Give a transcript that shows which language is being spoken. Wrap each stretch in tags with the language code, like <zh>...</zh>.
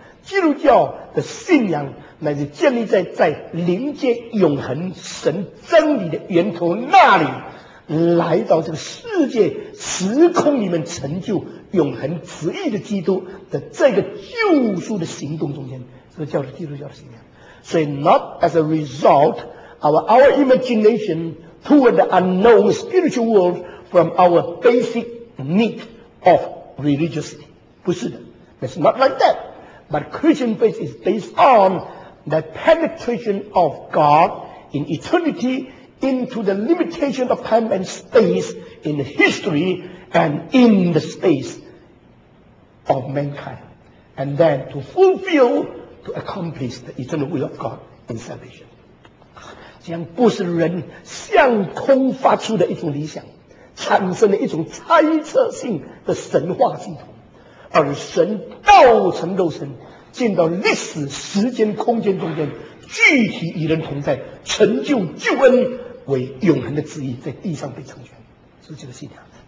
<zh>基督教的信仰乃是建立在灵界永恒神真理的源头那里，来到这个世界时空里面成就永恒旨意的基督的这个救赎的行动中间，这个叫做基督教的信仰。</zh> <en>所以 not as a result our imagination toward the unknown spiritual world from our basic need of religiosity. 不是的， it's not like that. But Christian faith is based on the penetration of God in eternity into the limitation of time and space in history and in the space of mankind. And then to fulfill, to accomplish the eternal will of God in salvation.</en> <zh>将不是人向空发出的一种理想，产生了一种猜测性的神话系统，而神道成肉身进到历史时间空间中间，具体与人同在，成就救恩为永恒的旨意，在地上被成全，是这个信仰。</zh>